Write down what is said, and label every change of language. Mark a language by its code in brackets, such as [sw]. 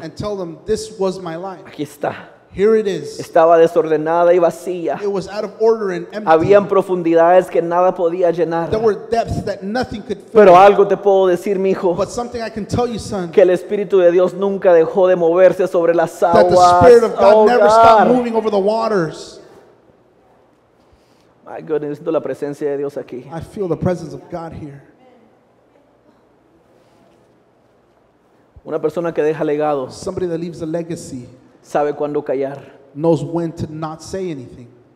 [en] And tell them, this was my life. [es] Aquí está. [en] Here it is. [es] Estaba desordenada y vacía. [en] It was out of order and empty. [es] Habían profundidades que nada podía llenar. [en] There were depths that nothing could fill. [es] Pero algo te puedo decir, mijo. [en] But something I can tell you, son. [es] Que el Espíritu de Dios nunca dejó de moverse sobre las aguas. [en] That the Spirit of God never stopped moving over the waters. My goodness, [es] siento la presencia de Dios aquí. [en] I feel the presence of God here. [es] Una persona que deja legado. [en] Somebody that leaves a legacy. [es] Sabe cuándo callar. [en] Knows when to not say anything.